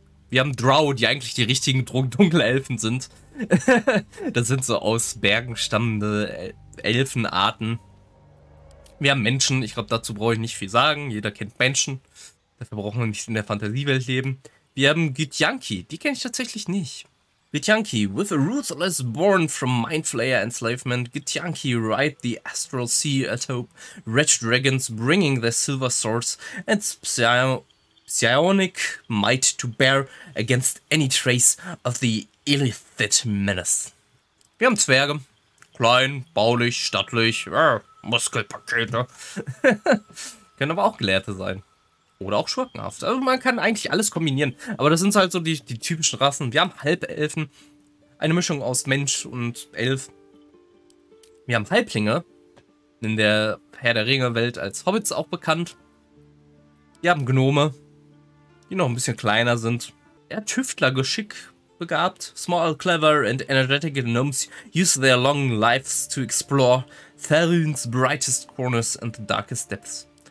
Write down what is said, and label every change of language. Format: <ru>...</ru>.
<de>Wir haben Drow, die eigentlich die richtigen Dunkelelfen sind. Das sind so aus Bergen stammende Elfenarten. Wir haben Menschen. Ich glaube, dazu brauche ich nicht viel sagen. Jeder kennt Menschen. Dafür brauchen wir nicht in der Fantasiewelt leben. Wir haben Gityanki. Die kenne ich tatsächlich nicht.</de> <en>Gityanki, with a ruthless born from Mindflayer Enslavement, Gityanki ride the astral sea atop red dragons bringing their silver swords and psionic might to bear against any trace of the illithid menace.</en> <de>Wir haben Zwerge. Klein, baulich, stattlich, Muskelpakete. Können aber auch Gelehrte sein. Oder auch schurkenhaft. Also man kann eigentlich alles kombinieren. Aber das sind halt so die typischen Rassen. Wir haben Halbelfen. Eine Mischung aus Mensch und Elf. Wir haben Halblinge. In der Herr der Ringe-Welt als Hobbits auch bekannt. Wir haben Gnome, die noch ein bisschen kleiner sind. Ja, Tüftlergeschick begabt.</de> <en>Small, clever and energetic gnomes use their long lives to explore Thalrun's brightest corners and the darkest depths.</en>